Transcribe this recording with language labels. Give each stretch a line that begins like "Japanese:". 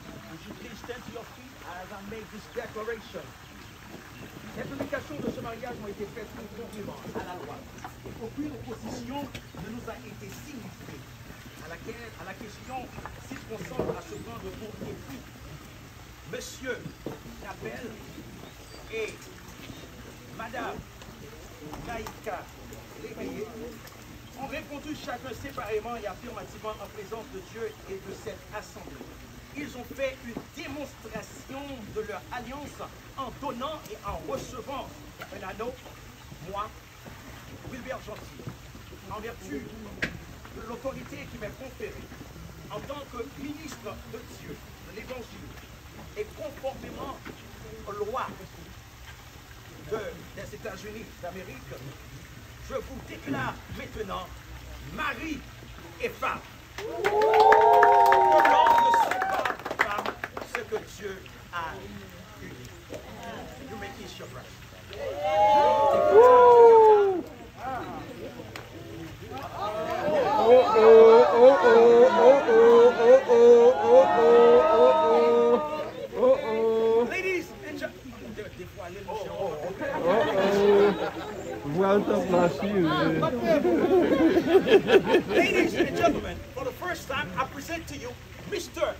English: Would you please stand to your feet as I make this declaration?
French: Les publications de ce mariage ont été faites conformément à la loi. Et aucune opposition ne nous a été signifiée à la question s'il consent à se prendre pour époux. Monsieur Napel et Madame Naika Léveillé ont répondu chacun séparément et affirmativement en présence de Dieu et de cette assemblée. Ils ont fait une démonstration de leur alliance en donnant et en recevant un anneau, moi, Wilbert Gentil, en vertu de l'autorité qui m'est conférée, en tant que ministre de Dieu, de l'Évangile, et conformément aux lois des États-Unis d'Amérique, je vous déclare maintenant mari et femme. L'homme ne sépare pas ce que Dieu a uni.
English: You may kiss your bride. Ladies and gentlemen, for the first time, I present to you Mr.